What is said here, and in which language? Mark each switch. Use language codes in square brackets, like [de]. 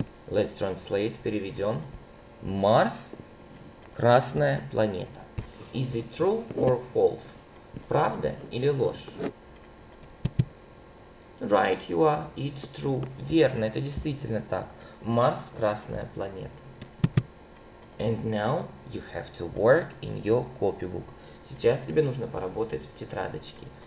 [en] Let's translate, [ru] переведем. Mars – красная планета. [en] Is it true or false? [ru] Правда или ложь? [en] Right you are, it's true. [ru] Верно, это действительно так. Марс – красная планета. [en] And now you have to work in your copybook. [ru] Сейчас тебе нужно поработать в тетрадочке.